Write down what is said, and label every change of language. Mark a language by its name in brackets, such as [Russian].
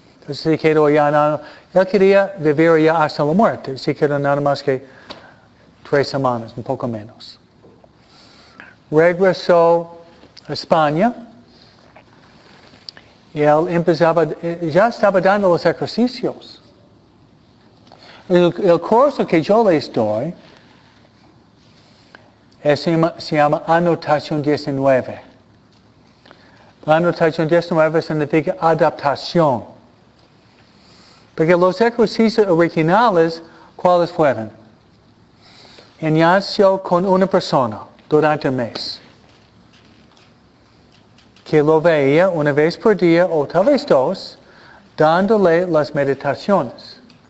[Spanish] Se quedó allá, él quería vivir allá hasta la muerte. Se quedó nada más que 3 semanas, un poco menos. Regresó a España. Y él ya estaba dando los ejercicios. [Italian] Il corso che io le sto si chiama Annotazione 19. L'annotazione 19 significa adaptazione. [Spanish] Perché los ejercicios originales, ¿cuáles fueron? Ignacio con una persona durante un mes. Que lo veía una vez por día, o tal vez dos, dándole las meditaciones.